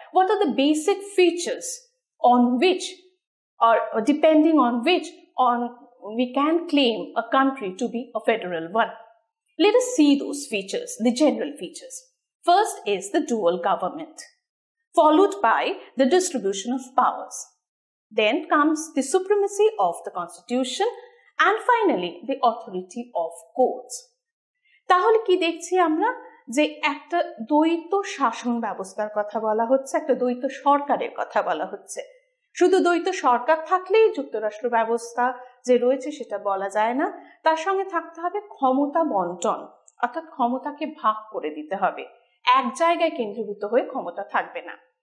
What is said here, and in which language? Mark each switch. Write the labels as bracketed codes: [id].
[en] What are the basic features on which are depending on which on we can claim a country to be a federal one. Let us see those features, the general features. First is the dual government, followed by the distribution of powers. Then comes the supremacy of the constitution and finally the authority of courts. [bn] তাহলে কি দেখছি আমরা, যে একটা দ্বৈত শাসন ব্যবস্থার কথা বলা হচ্ছে, একটা দ্বৈত সরকারের কথা বলা হচ্ছে। শুধু দ্বৈত সরকার থাকলেই যুক্তরাষ্ট্র ব্যবস্থা যে রয়েছে সেটা বলা যায় না, তার সঙ্গে থাকতে হবে ক্ষমতা বণ্টন, অর্থাৎ ক্ষমতাকে ভাগ করে দিতে হবে, এক জায়গায় কেন্দ্রীভূত হয়ে ক্ষমতা থাকবে না।